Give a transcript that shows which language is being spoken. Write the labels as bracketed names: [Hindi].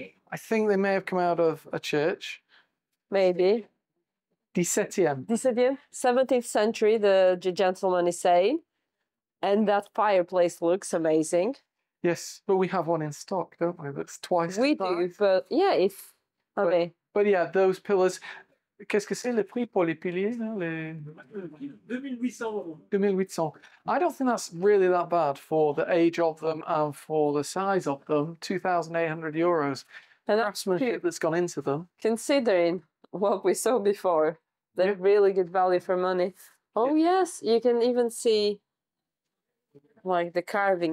[English] I think they may have come out of a church. Maybe. 17th century, the gentleman is saying. And that fireplace looks amazing. Yes, but we have one in stock, don't we? That's twice we the do, time. But yeah, if... Okay. But yeah, those pillars... [French] Qu'est-ce que c'est le prix pour les piliers? [English] 2,800. I don't think that's really that bad for the age of them and for the size of them. 2,800 euros. And craftsmanship that's gone into them. Considering what we saw before, they're really good value for money. Oh, yes, you can even see like the carving